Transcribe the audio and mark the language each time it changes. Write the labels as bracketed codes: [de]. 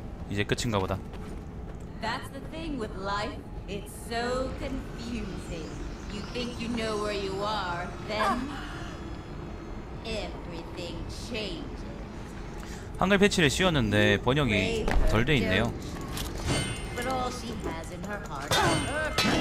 [ko] 이제 끝인가 보다. [en] That's the thing with life. It's so confusing. You think you know where you are, then everything changes. [ko] 한글 패치를 씌웠는데 번역이 덜 돼 있네요. [en] But all she has in her heart is her.